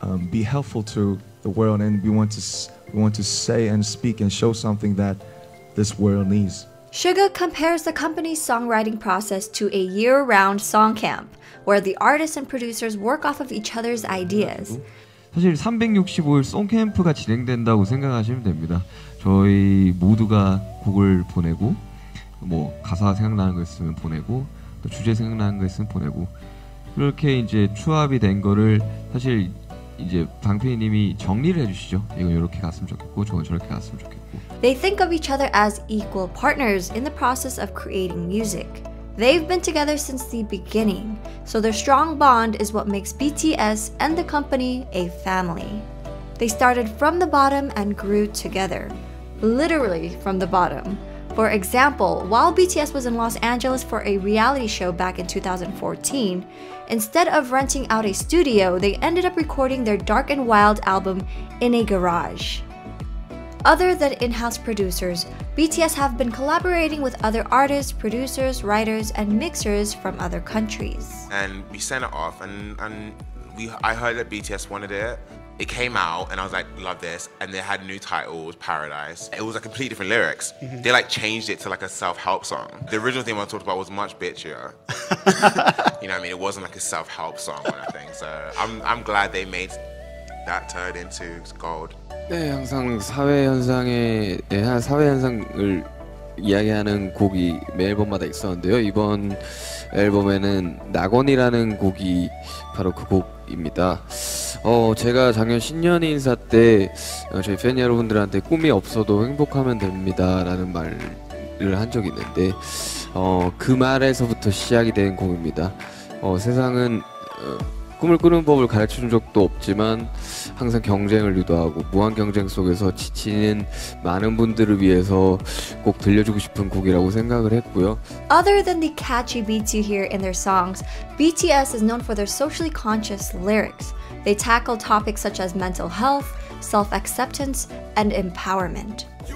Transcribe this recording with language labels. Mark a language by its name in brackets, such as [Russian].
[English] be helpful to the world, and we want to say and speak and show something that this world needs. Suga compares the company's songwriting process to a year-round song camp, where the artists and producers work off of each other's ideas. [Korean] 사실 365일 송 캠프가 진행된다고 생각하시면 됩니다. 저희 모두가 곡을 보내고 뭐 가사 생각나는 거 있으면 보내고 또 주제 생각나는 거 있으면 보내고 그렇게 이제 추합이 된 거를 사실 이제 방피님이 정리를 해주시죠. 이건 이렇게 갔으면 좋겠고 저건 저렇게 갔으면 좋겠고. [English] They think of each other as equal partners in the process of creating music. They've been together since the beginning, so their strong bond is what makes BTS and the company a family. They started from the bottom and grew together, literally from the bottom. For example, while BTS was in Los Angeles for a reality show back in 2014, instead of renting out a studio, they ended up recording their Dark and Wild album in a garage. Other than in-house producers, BTS have been collaborating with other artists, producers, writers, and mixers from other countries. And we sent it off, and I heard that BTS wanted it. It came out, and I was like, love this. And they had a new title, it was Paradise. It was like completely different lyrics. Mm-hmm. They like changed it to like a self-help song. The original thing I talked about was much bitchier. You know what I mean? It wasn't like a self-help song or anything. So I'm glad they made that turn into gold. [Korean] 네, 항상 사회 현상에 대한 사회 현상을 이야기하는 곡이 매 앨범마다 있었는데요. 이번 앨범에는 낙원이라는 곡이 바로 그 곡입니다. 제가 작년 신년 인사 때 저희 팬 여러분들한테 꿈이 없어도 행복하면 됩니다라는 말을 한 적이 있는데 그 말에서부터 시작이 된 곡입니다. 세상은 꿈을 꾸는 법을 가르쳐 준 적도 없지만 항상 경쟁을 유도하고 무한 경쟁 속에서 지치는 많은 분들을 위해서 꼭 들려주고 싶은 곡이라고 생각을 했고요. [English] Other than the catchy beats you hear in their songs, BTS is known for their socially conscious lyrics. They tackle topics such as mental health, self-acceptance, and empowerment.